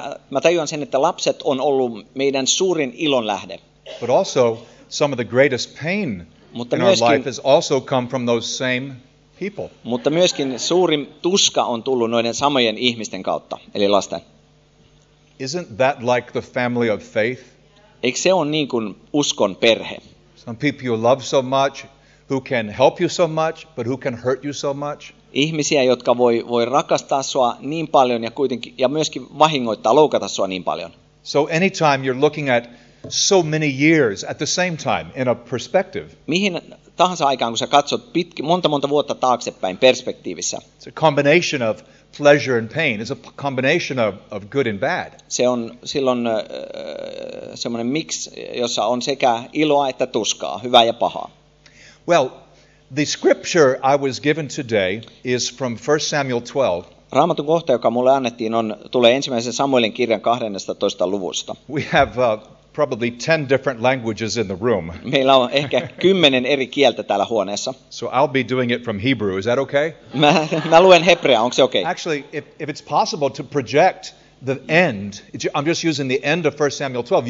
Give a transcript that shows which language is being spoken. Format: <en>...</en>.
<fi>Mä tajuan sen, että lapset on ollut meidän suurin ilon lähde.</fi> <en>But also some of the greatest pain</en> <fi>mutta</fi> <en>in</en> <fi>myöskin,</fi> <en>our life has also come from those same people.</en> <fi>Mutta myöskin suurin tuska on tullut noiden samojen ihmisten kautta, eli lasten.</fi> <en>Isn't that like the family of faith?</en> <fi>Eikö se ole niin kuin uskon perhe?</fi> <en>Some people you love so much, who can help you so much, but who can hurt you so much?</en> <fi>Ihmisiä, jotka voi rakastaa sua niin paljon ja kuitenkin ja myöskin vahingoittaa, loukata sua niin paljon.</fi> <en>So anytime you're looking at so many years at the same time in a perspective.</en> <fi>Mihin tahansa aikaan, kun sä katsot monta vuotta taaksepäin perspektiivissä.</fi> <en>It's a combination of pleasure and pain. It's a combination of good and bad.</en> <fi>Se on silloin semmoinen mix, jossa on sekä iloa että tuskaa, hyvää ja pahaa.</fi> <en>Well, the scripture I was given today is from 1 Samuel 12.</en> <fi>Raamatun kohta, joka mulle annettiin, tulee ensimmäisen Samuelin kirjan 12. luvusta.</fi> <en>We have probably 10 different languages in the room.</en> <fi>Meillä on ehkä 10 eri kieltä täällä huoneessa.</fi> <en>So I'll be doing it from Hebrew. Is that okay?</en> <fi>Mä luen hebreaa. Onko se okay?</fi> <en>Actually, if it's possible to project the end, I'm just using the end of 1 Samuel 12.</en>